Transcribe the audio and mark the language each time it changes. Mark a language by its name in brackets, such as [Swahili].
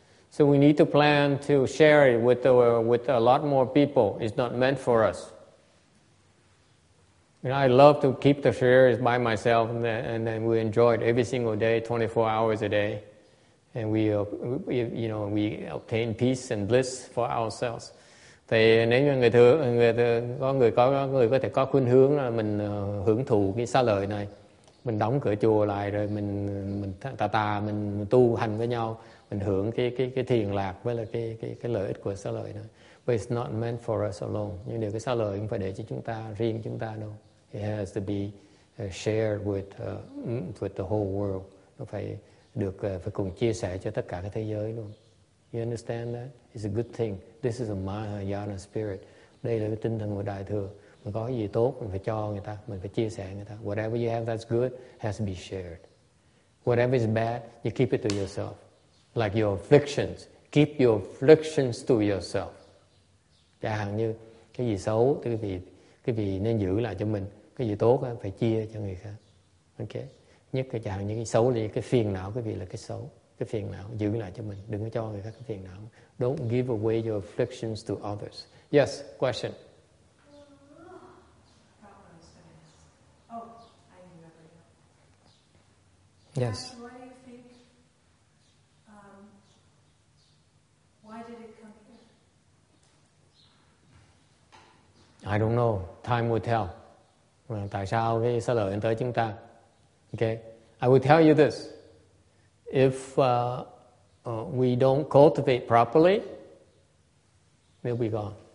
[English] So we need to plan to share it with a lot more people. It's not meant for us. You know, I love to keep the shares by myself, and then we enjoy it every single day, 24 hours a day. And we obtain peace and bliss for ourselves. [Vietnamese] Thì nếu như người thường, người có thể có khuynh hướng là mình hưởng thụ cái xá lợi này, mình đóng cửa chùa lại rồi mình tu hành với nhau, mình hưởng cái thiền lạc với là cái lợi ích của xá lợi này. [English] But it's not meant for us alone. [Vietnamese] Nhưng điều cái xá lợi không phải để cho chúng ta, riêng chúng ta đâu. [English] It has to be shared with the whole world. [Vietnamese] Nó phải được phải cùng chia sẻ cho tất cả cái thế giới luôn. [English] You understand that? It's a good thing. This is a Mahayana spirit. [Vietnamese] Đây là cái tinh thần của Đại Thừa. Mình có gì tốt, mình phải cho người ta, mình phải chia sẻ người ta. [English] Whatever you have that's good has to be shared. Whatever is bad, you keep it to yourself. Like your afflictions. Keep your afflictions to yourself. [Vietnamese] Chẳng hạn như cái gì xấu thì cái gì nên giữ lại cho mình. Cái gì tốt phải chia cho người khác. Ok. Nhất là chẳng hạn như cái xấu thì cái phiền não cái gì là cái xấu. Cái phiền não giữ lại cho mình. Đừng có cho người khác cái phiền não. [English] Don't give away your afflictions to others. Yes, question. Yes. Why do you think, why did it come here? I don't know. Time will tell. [Vietnamese] Tại sao cái xá lợi đến tới chúng ta? [English] Okay. I will tell you this. If we don't cultivate properly, we'll be gone.